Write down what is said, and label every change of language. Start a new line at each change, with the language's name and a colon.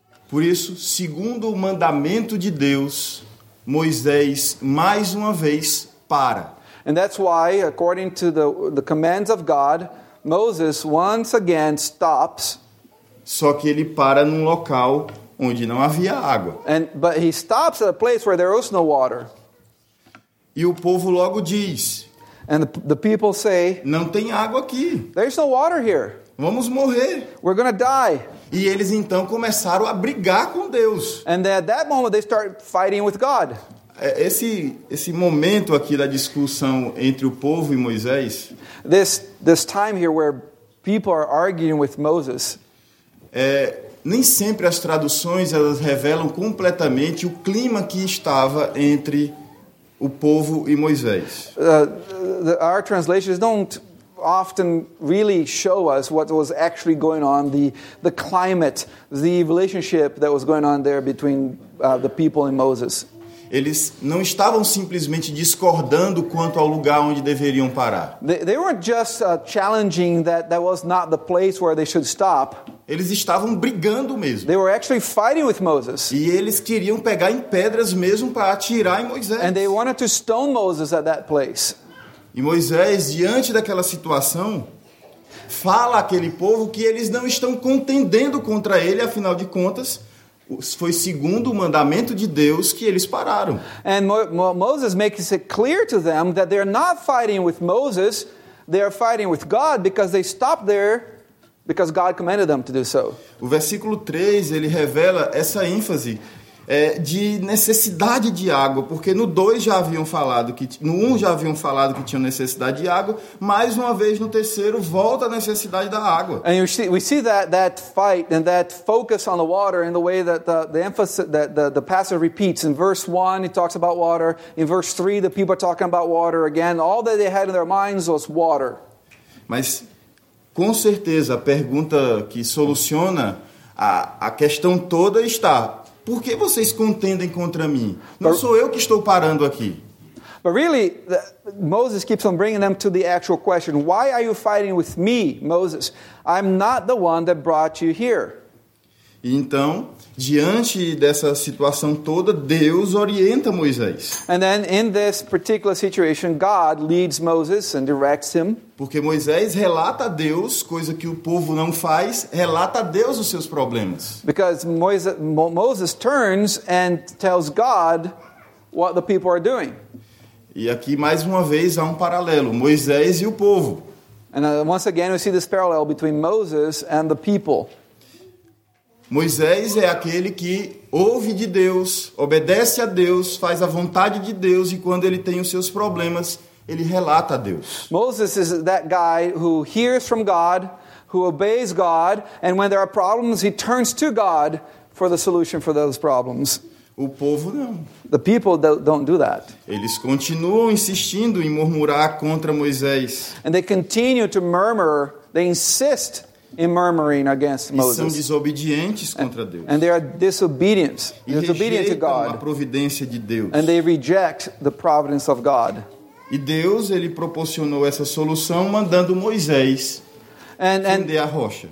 Portuguese: Por isso, segundo o mandamento de Deus, Moisés, mais uma vez, para.
English: And that's why, according to the commands of God, Moses once again stops.
Portuguese: Só que ele para num local onde não havia água.
English: But he stops at a place where there was no water.
Portuguese: E o povo logo diz.
English: And the people say.
Portuguese: Não tem água aqui.
English: There's no water here.
Portuguese: Vamos morrer.
English: We're gonna die.
Portuguese: E eles então começaram a brigar com Deus.
English: And at that moment they start fighting with God.
Portuguese: Esse momento aqui da discussão entre o povo e Moisés.
English: This time here where people are arguing with Moses.
Portuguese: Nem sempre as traduções elas revelam completamente o clima que estava entre o povo e Moisés.
English: Our translations don't often really show us what was actually going on, the climate, the relationship that was going on there between the people and Moses.
Portuguese: Eles não estavam simplesmente discordando quanto ao lugar onde deveriam parar.
English: They weren't just challenging that was not the place where they should stop.
Portuguese: Eles estavam brigando mesmo.
English: They were actually fighting with Moses.
Portuguese: E eles queriam pegar em pedras mesmo para atirar em Moisés.
English: And they wanted to stone Moses at that place.
Portuguese: E Moisés, diante daquela situação, fala àquele povo que eles não estão contendendo contra ele, afinal de contas, foi segundo o mandamento de Deus que eles pararam.
English: And Moses makes it clear to them that they're not fighting with Moses, they're fighting with God because they stopped there because God commanded them to do so.
Portuguese: O versículo 3, ele revela essa ênfase de necessidade de água, porque no 2 já haviam falado que no 1 já haviam falado que tinham necessidade de água, mais uma vez no 3º volta a necessidade da água.
English: And we see that fight and that focus on the water and the way that the emphasis that the passage repeats in verse 1 it talks about water, in verse 3 the people are talking about water again, all that they had in their minds was water.
Portuguese: Mas com certeza a pergunta que soluciona a questão toda está: por que vocês contendem contra mim? Não sou eu que estou parando aqui.
English: But really, Moses keeps on bringing them to the actual question. Why are you fighting with me, Moses? I'm not the one that brought you here.
Portuguese: Então, diante dessa situação toda, Deus orienta Moisés.
English: And then, in this particular situation, God leads Moses and directs him.
Portuguese: Porque Moisés relata a Deus, coisa que o povo não faz, relata a Deus os seus problemas.
English: Because Moses turns and tells God what the people are doing.
Portuguese: E aqui, mais uma vez, há um paralelo, Moisés e o povo.
English: And once again, we see this parallel between Moses and the people.
Portuguese: Moisés é aquele que ouve de Deus, obedece a Deus, faz a vontade de Deus e quando ele tem os seus problemas, ele relata a Deus.
English: Moses is that guy who hears from God, who obeys God, and when there are problems, he turns to God for the solution for those problems.
Portuguese: O povo não.
English: The people don't do that.
Portuguese: Eles continuam insistindo em murmurar contra Moisés.
English: And they continue to murmur, they insist in murmuring against Moses.
Portuguese: E são desobedientes contra Deus.
English: And they are disobedient to God.
Portuguese: E rejeitam a providência de Deus.
English: And they reject the providence of God.
Portuguese: E Deus, ele proporcionou essa solução mandando Moisés prender a rocha.